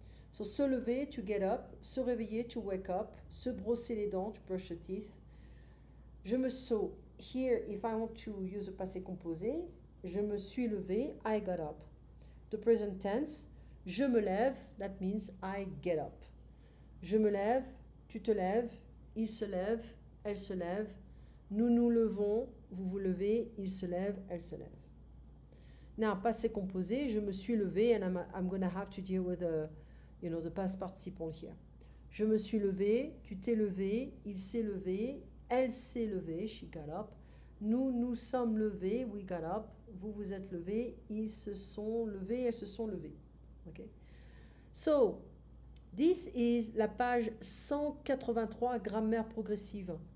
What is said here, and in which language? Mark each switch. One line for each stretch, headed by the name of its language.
English: So,
French: se lever,
English: to get up.
French: Se réveiller,
English: to wake up.
French: Se brosser les dents,
English: to brush your teeth.
French: Je me saute.
English: Here, if I want to use the passé composé,
French: je me suis levé,
English: I got up. The present tense,
French: je me lève,
English: that means I get up.
French: Je me lève, tu te lèves, il se lève, elle se lève. Nous nous levons, vous vous levez, il se lève, elle se lève.
English: Now, passé composé,
French: je me suis levé,
English: and I'm going to have to deal with the past participle here.
French: Je me suis levé, tu t'es levé, il s'est levé, elle s'est levée,
English: she got up.
French: Nous nous sommes levés,
English: we got up.
French: Vous vous êtes levés, ils se sont levés, elles se sont levées.
English: Okay. So, this is
French: la page 183, grammaire progressive.